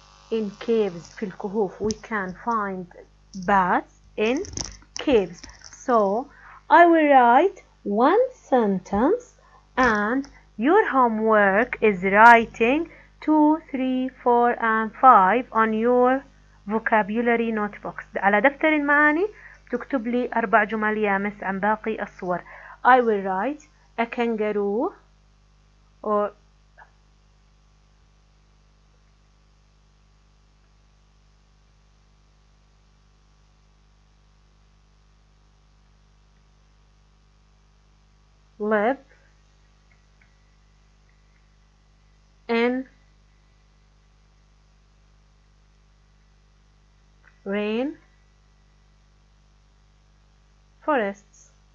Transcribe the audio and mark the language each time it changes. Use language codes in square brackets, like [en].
[en] In caves, [ar] في الكهوف. [en] We can find bats in caves. So, I will write one sentence and your homework is writing 2, 3, 4, and 5 on your vocabulary notebooks. [ar] على دفتر المعاني تكتب لي أربع جمل يامس عن باقي الصور. [en] I will write a kangaroo or live in rain forests.